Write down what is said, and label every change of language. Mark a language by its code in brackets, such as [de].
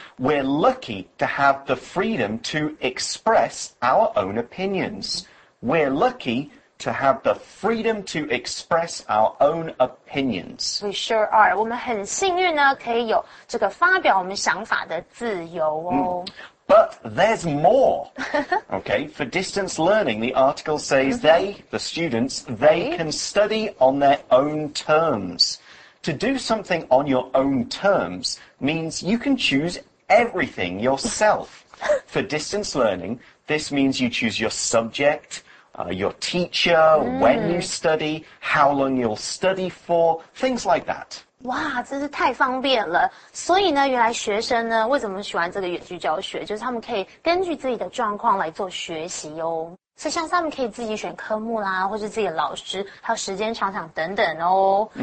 [en] We're lucky to have the freedom to express our own opinions.、We're lucky to have the freedom to express our own opinions. We sure are. [zh] 我们很幸运呢，可以有这个发表我们想法的自由哦。 [en] But there's more. Okay, for distance learning, the article says the students can study on their own terms. To do something on your own terms means you can choose everything yourself. For distance learning, this means you choose your subject, your teacher, when you study, how long you'll study for, things like that. [zh] 哇，真是太方便了！所以呢，原来学生呢为什么喜欢这个远距教学，就是他们可以根据自己的状况来做学习哦。所以像是他们可以自己选科目啦，或是自己的老师，还有时间长长等等哦。